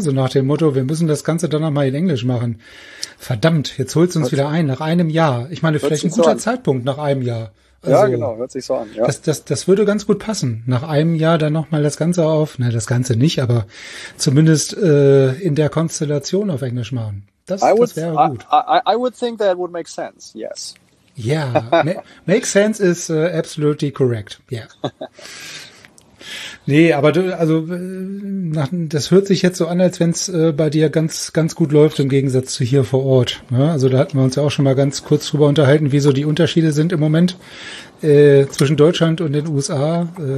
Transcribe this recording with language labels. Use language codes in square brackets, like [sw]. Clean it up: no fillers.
[de] So nach dem Motto, wir müssen das Ganze dann nochmal in Englisch machen. Verdammt, jetzt holst du uns wieder ein, nach einem Jahr. Ich meine, vielleicht ein guter Zeitpunkt nach einem Jahr. Also, ja, genau, hört sich so an. Ja. Das würde ganz gut passen. Nach einem Jahr dann nochmal das Ganze auf, na, das Ganze nicht, aber zumindest in der Konstellation auf Englisch machen. Das wäre gut. [en] I would think that would make sense, yes. Ja, makes sense is absolutely correct. Ja. Yeah. [de] Nee, aber du, also das hört sich jetzt so an, als wenn es bei dir ganz, ganz gut läuft im Gegensatz zu hier vor Ort. Ja, also da hatten wir uns ja auch schon mal ganz kurz drüber unterhalten, wie so die Unterschiede sind im Moment zwischen Deutschland und den USA.